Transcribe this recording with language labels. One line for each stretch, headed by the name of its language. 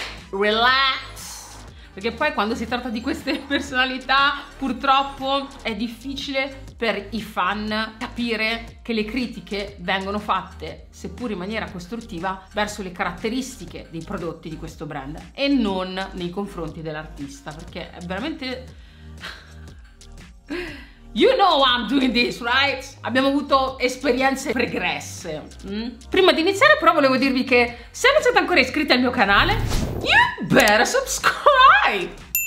Italian: relax, perché poi quando si tratta di queste personalità purtroppo è difficile per i fan capire che le critiche vengono fatte, seppur in maniera costruttiva, verso le caratteristiche dei prodotti di questo brand e non nei confronti dell'artista, perché è veramente...
English: You know I'm doing this, right?
Italian: Abbiamo avuto esperienze pregresse. Prima di iniziare però volevo dirvi che se non siete ancora iscritti al mio canale,
English: you better subscribe!